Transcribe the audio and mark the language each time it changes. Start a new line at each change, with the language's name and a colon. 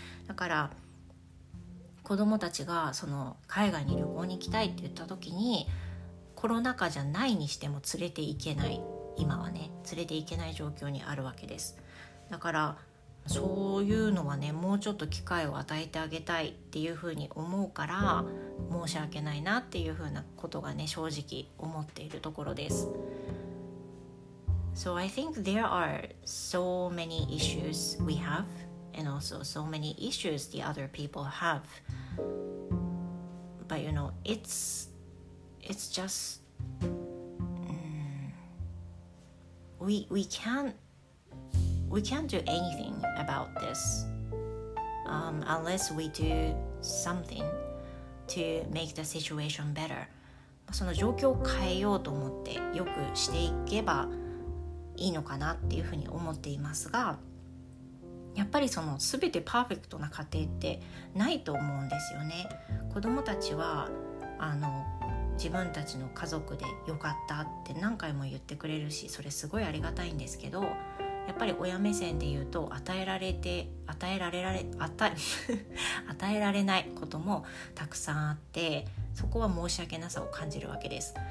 Japanese: だから子供たちがその海外に旅行に行きたいって言った時に、コロナ禍じゃないにしても連れていけない、今はね連れていけない状況にあるわけです。だからそういうのはね、もうちょっと機会を与えてあげたいっていうふうに思うから、申し訳ないなっていうふうなことがね正直思っているところです。
English: So I think there are so many issues we haveAnd also so many issues the other people have. But you know, it's just... We can't do anything about this. Unless we do something to make the situation better.
Japanese: その状況を変えようと思ってよくしていけばいいのかなっていうふうに思っていますが、やっぱりその全てパーフェクトな家庭ってないと思うんですよね。子供たちはあの自分たちの家族でよかったって何回も言ってくれるし、それすごいありがたいんですけど、やっぱり親目線で言うと与えられないこともたくさんあって、そこは申し訳なさを感じるわけです。